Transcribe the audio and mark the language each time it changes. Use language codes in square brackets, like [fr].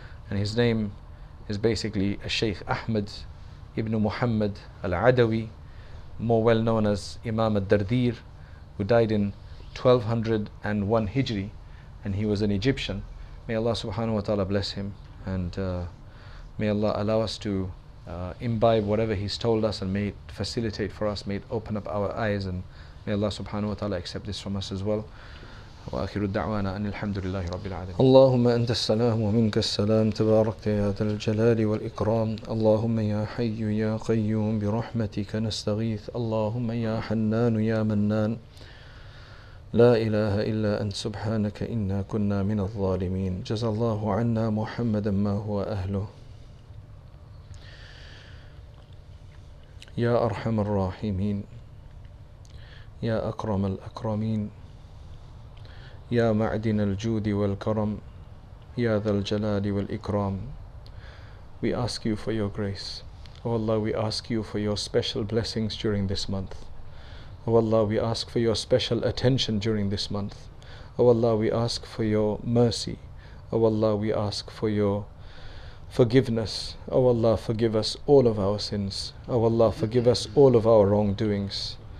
[en] And his name is basically Shaykh Ahmad ibn Muhammad al-Adawi, more well known as Imam al-Dardir, who died in 1201 Hijri, and he was an Egyptian. May Allah subhanahu wa ta'ala bless him, and may Allah allow us to imbibe whatever he's told us, and may it facilitate for us, may it open up our eyes, and may Allah subhanahu wa ta'ala accept this from us as well. [ar] وآخر الدعوانا أن الحمد لله رب العالمين اللهم أنت السلام ومنك السلام تباركت يا ذا الجلال والإكرام اللهم يا حي يا قيوم برحمتك نستغيث اللهم يا حنان يا منان لا إله إلا أنت سبحانك إنا كنا من الظالمين جزى الله عنا محمدا ما هو أهله يا أرحم الراحمين يا أكرم الأكرمين يا معدن الجود والكرم يا ذا الجلال والإكرام. [en] We ask you for your grace. Oh Allah, we ask you for your special blessings during this month. Oh Allah, we ask for your special attention during this month. Oh Allah, we ask for your mercy. Oh Allah, we ask for your forgiveness. Oh Allah, forgive us all of our sins. Oh Allah, forgive us all of our wrongdoings.